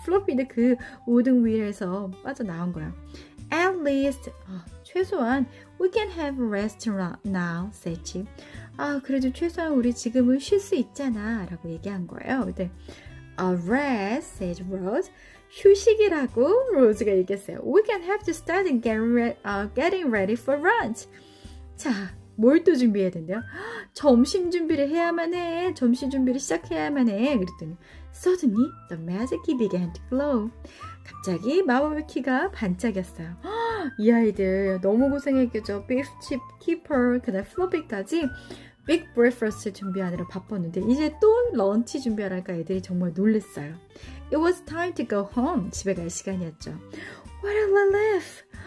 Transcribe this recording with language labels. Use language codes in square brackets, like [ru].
[ko] 플로피는 그 오등 위에서 빠져나온 거야. [en] At least [ko] 최소한 [en] we can have rest now, said she. [ko] 아 그래도 최소한 우리 지금은 쉴수 있잖아라고 얘기한 거예요. 근데 [en] a rest, said Rose. [ko] 휴식이라고 로즈가 얘기했어요. [en] We can have to start and getting ready for lunch. [ko] 자. 뭘또 준비해야 된대요? 점심 준비를 해야만 해. 점심 준비를 시작해야만 해. 그랬더니 [en] Suddenly, the magic key began to glow. [ko] 갑자기 마법의 키가 반짝였어요. 이 아이들 너무 고생했겠죠? Beef Chip Keeper, 그다음 Floppy까지 Big Breakfast 준비하느라 바빴는데 이제 또 런치 준비하랄까 애들이 정말 놀랬어요. [en] It was time to go home. [ko] 집에 갈 시간이었죠. [en] What a relief!